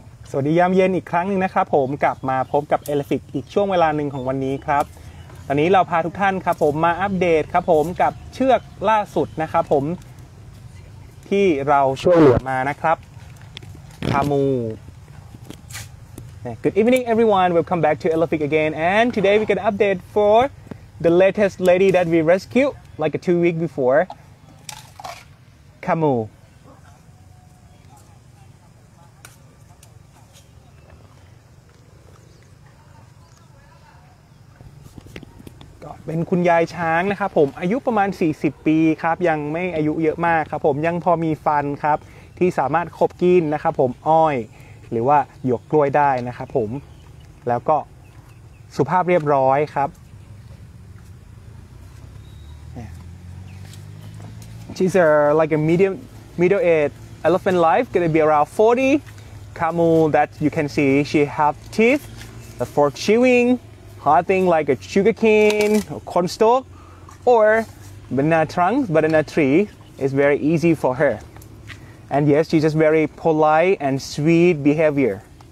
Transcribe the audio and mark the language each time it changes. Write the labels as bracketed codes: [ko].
[th] สวัสดียามเย็นอีกครั้งนึงนะครับผมกลับมาพบกับ Elefic อีกช่วงเวลานึงของวันนี้ครับตอนนี้เราพาทุกท่านครับผมมาอัปเดตครับผมกับเชือกล่าสุดนะครับผมที่เราช่วยเหลือมานะครับคามู [en] Good evening everyone. Welcome back to Elefic again. And today we can update for the latest lady that we rescued like a 2 weeks before. Kamu. [th] เป็นคุณยายช้างนะครับผมอายุประมาณ40ปีครับยังไม่อายุเยอะมากครับผมยังพอมีฟันครับที่สามารถขบกินนะครับผมอ้อยหรือว่าหยวกกล้วยได้นะครับผมแล้วก็ สุภาพเรียบร้อยครับ [en] She's a, like a middle-aged elephant life gonna be around 40 Kamu that you can see she have teeth for chewingHard thing like a sugar cane, or corn stalk, or banana trunk, banana tree is very easy for her. And yes, she's just very polite and sweet behavior.